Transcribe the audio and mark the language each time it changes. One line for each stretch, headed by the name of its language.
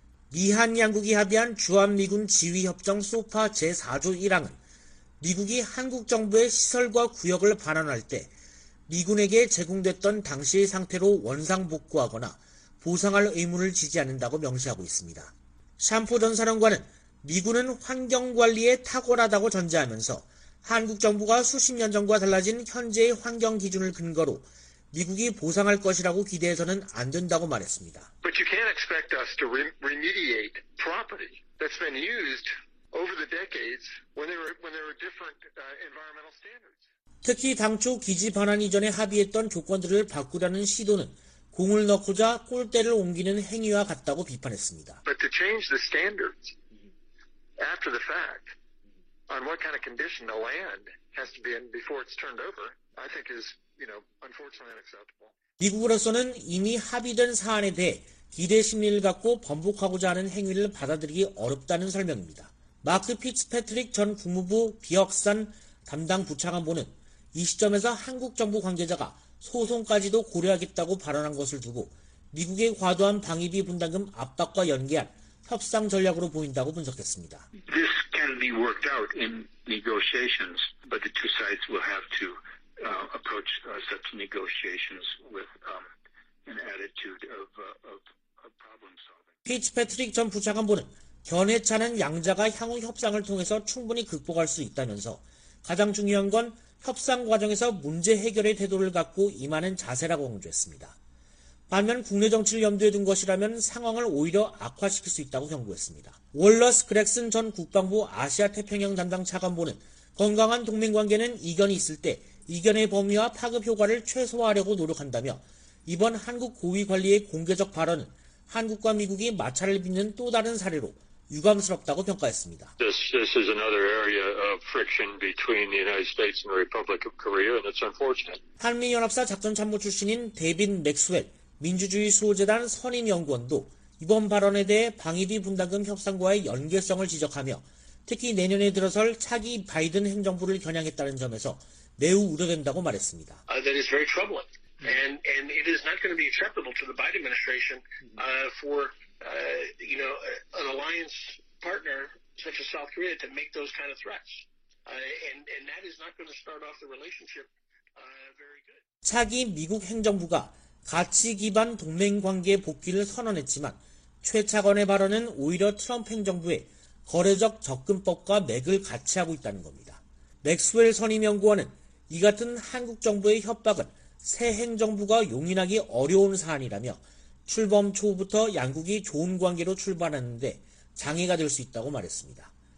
Korean: 미한 양국이 합의한 주한미군 지휘협정 소파 제4조 1항은 미국이 한국 정부의 시설과 구역을 반환할 때 미군에게 제공됐던 당시의 상태로 원상복구하거나 보상할 의무를 지지 않는다고 명시하고 있습니다. 샴포 전 사령관은 미군은 환경관리에 탁월하다고 전제하면서 한국 정부가 수십 년 전과 달라진 현재의 환경 기준을 근거로 미국이 보상할 것이라고 기대해서는 안 된다고 말했습니다.
English: But you can't expect us to remediate property that's been used over the decades when there were different environmental standards.
Korean: 특히 당초 기지 반환 이전에 합의했던 조건들을 바꾸라는 시도는 공을 넣고자 꼴대를 옮기는 행위와 같다고 비판했습니다.
English: But to change the standards after the fact on what kind of condition the land has to be in before it's turned over, I think is, you know, unfortunately unacceptable.
Korean: 미국으로서는 이미 합의된 사안에 대해 기대 심리를 갖고 번복하고자 하는 행위를 받아들이기 어렵다는 설명입니다. 마크 피츠패트릭 전 국무부 비확산 담당 부차관보는 이 시점에서 한국 정부 관계자가 소송까지도 고려하겠다고 발언한 것을 두고 미국의 과도한 방위비 분담금 압박과 연계한 협상 전략으로 보인다고 분석했습니다.
English: This can be worked out in negotiations, but the two sides will have to approach such negotiations with an attitude of problem solving.
Korean: 피츠패트릭 전 부차관보는 견해차는 양자가 향후 협상을 통해서 충분히 극복할 수 있다면서 가장 중요한 건 협상 과정에서 문제 해결의 태도를 갖고 임하는 자세라고 강조했습니다. 반면 국내 정치를 염두에 둔 것이라면 상황을 오히려 악화시킬 수 있다고 경고했습니다. 월러스 그렉슨 전 국방부 아시아태평양 담당 차관보는 건강한 동맹관계는 이견이 있을 때 이견의 범위와 파급 효과를 최소화하려고 노력한다며 이번 한국 고위관리의 공개적 발언은 한국과 미국이 마찰을 빚는 또 다른 사례로 유감스럽다고 평가했습니다.
English: This is another area of friction between the United States and the Republic of Korea, and it's unfortunate.
Korean: 한미연합사 작전참모 출신인 데빈 맥스웰, 민주주의 수호재단 선임연구원도 이번 발언에 대해 방위비 분담금 협상과의 연계성을 지적하며 특히 내년에 들어설 차기 바이든 행정부를 겨냥했다는 점에서 매우 우려된다고 말했습니다.
English: That is very troubling. And it is not going to be acceptable to the Biden administration for you know an alliance partner such as South Korea to make those kind of threats. And that is not going to start off the relationship very good.
Korean: 차기 미국 행정부가 가치 기반 동맹 관계 복귀를 선언했지만 최 차관의 발언은 오히려 트럼프 행정부의 거래적 접근법과 맥을 같이 하고 있다는 겁니다. 맥스웰 선임연구원은 이 같은 한국 정부의 협박은 새 행정부가 용인하기 어려운 사안이라며 출범 초부터 양국이 좋은 관계로 출발하는데 장애가 될 수 있다고 말했습니다.